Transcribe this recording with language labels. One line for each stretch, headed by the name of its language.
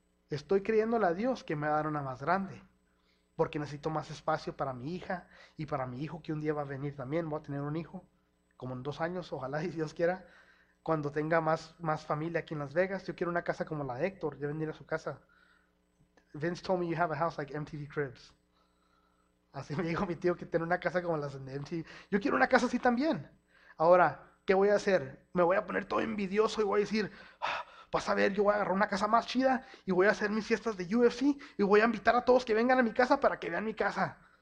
Spanish: Estoy creyéndole a Dios que me va a dar una más grande. Porque necesito más espacio para mi hija y para mi hijo que un día va a venir también. Voy a tener un hijo, como en 2 años, ojalá y Dios quiera. Cuando tenga más familia aquí en Las Vegas, yo quiero una casa como la de Héctor, deben ir a su casa.
English: Vince told me you have a house like MTV Cribs.
Spanish: Así me dijo mi tío que tiene una casa como las de MTV. Yo quiero una casa así también. Ahora, ¿qué voy a hacer? Me voy a poner todo envidioso y voy a decir, vas a ver, yo voy a agarrar una casa más chida y voy a hacer mis fiestas de UFC y voy a invitar a todos que vengan a mi casa para que vean mi casa.